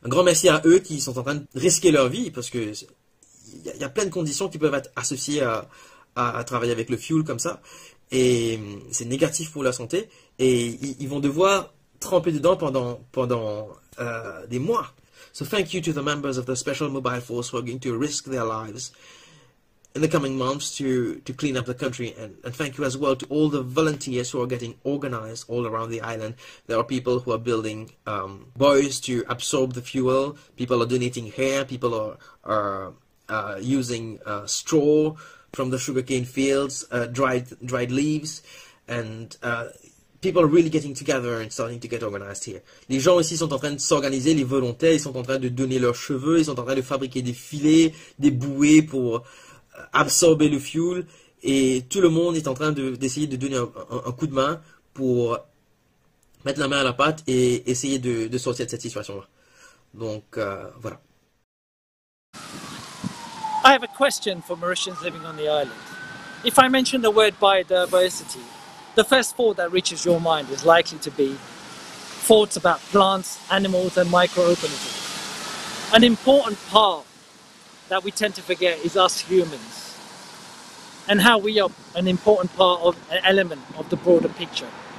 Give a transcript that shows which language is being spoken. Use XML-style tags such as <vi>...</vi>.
<fr>Un grand merci à eux qui sont en train de risquer leur vie, parce que il y a plein de conditions qui peuvent être associées à travailler avec le fuel comme ça, et c'est négatif pour leur santé, et ils vont devoir tremper dedans pendant des mois.</fr> <en>So thank you to the members of the Special Mobile Force who are going to risk their lives in the coming months to clean up the country. And thank you as well to all the volunteers who are getting organized all around the island. There are people who are building buoys to absorb the fuel. People are donating hair. People are using straw from the sugarcane fields, dried leaves. And people are really getting together and starting to get organized here.</en> <fr>Les gens ici sont en train de s'organiser, les volontaires, ils sont en train de donner leurs cheveux, ils sont en train de fabriquer des filets, des bouées pour absorber le fuel, et tout le monde est en train d'essayer de donner un coup de main pour mettre la main à la pâte et essayer de sortir de cette situation-là. Donc, voilà.</fr> <en>I have a question for Mauritians living on the island. If I mention the word biodiversity, the first thought that reaches your mind is likely to be thoughts about plants, animals, and microorganisms. An important part that we tend to forget is us humans and how we are an important part of an element of the broader picture.</en>